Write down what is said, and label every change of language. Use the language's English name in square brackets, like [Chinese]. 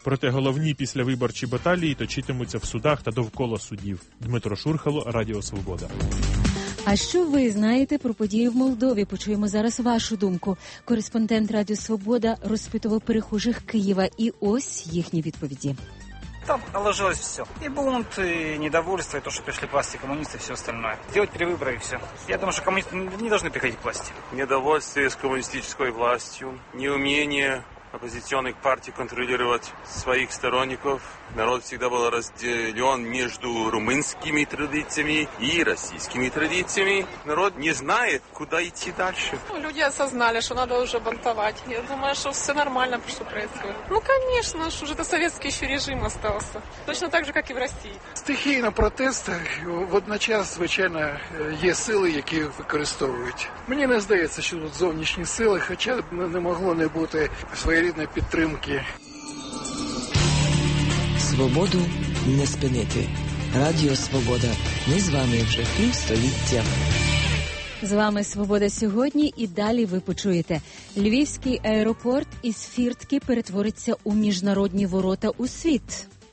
[Ukrainian] Проте головні післявиборчі баталії точитимуться в судах та довкола судів. Дмитро Шурхало, Радіо Свобода. А що ви знаєте про події в Молдові? Почуємо зараз вашу думку. Кореспондент Радіо Свобода розпитував перехожих Києва. І ось їхні відповіді. [Russian] Там наложилось все. И бунт, и недовольство, и то, что пришли к власти коммунисты, и все остальное. Делать перевыборы, и все. Я думаю, что коммунисты не должны приходить к власти. Недовольствие с коммунистической властью, неумение оппозиционных партий контролировать своих сторонников. Народ всегда был разделен между румынскими традициями и российскими традициями. Народ не знает, куда идти дальше. Люди осознали, что надо уже бунтовать. Я думаю, что все нормально, что происходит. Ну, конечно, что уже это советский еще режим остался. Точно так же, как и в России. Стихии на протестах [Ukrainian] в одночас, звичайно, [Russian] есть силы, которые используют. Мне не кажется, что тут [Ukrainian] зовнішні [Russian] силы, хотя бы не могло не быть [Ukrainian] своєрідної підтримки. Свободу не спинити. Радіо Свобода. Ми з вами вже півстоліття. З вами Свобода сьогодні і далі ви почуєте. Львівський аеропорт із фіртки перетвориться у міжнародні ворота у світ.